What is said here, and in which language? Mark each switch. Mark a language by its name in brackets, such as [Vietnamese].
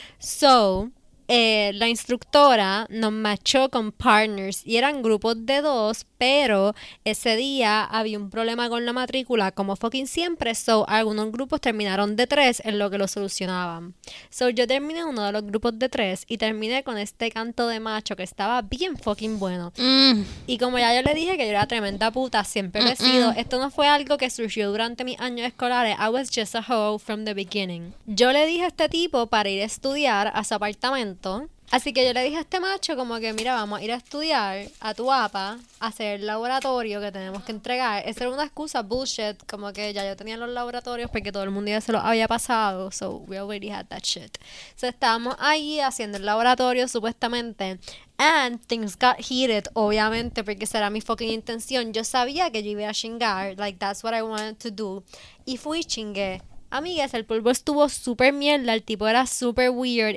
[Spanish] So, la instructora nos machó con partners y eran grupos de dos, pero ese día había un problema con la matrícula, como fucking siempre, so algunos grupos terminaron de tres en lo que lo solucionaban. So yo terminé uno de los grupos de tres y terminé con este canto de macho que estaba bien fucking bueno. Y como ya yo le dije que yo era tremenda puta, siempre lo he sido. Esto no fue algo que surgió durante mis años escolares. [English] I was just a hoe from the beginning. [Spanish] Yo le dije a este tipo para ir a estudiar a su apartamento. Así que yo le dije a este macho como que, mira, vamos a ir a estudiar a tu apa, a hacer el laboratorio que tenemos que entregar. Esa era una excusa bullshit, como que ya yo tenía los laboratorios porque todo el mundo ya se los había pasado. [English] So, we already had that shit. [Spanish] So, estábamos ahí haciendo el laboratorio, supuestamente. [English] And things got heated, [Spanish] obviamente, porque esa era mi fucking intención. Yo sabía que yo iba a chingar, [English] like, that's what I wanted to do. [Spanish] Y fui, chingué. Amigas, el polvo estuvo súper mierda, el tipo era súper weird.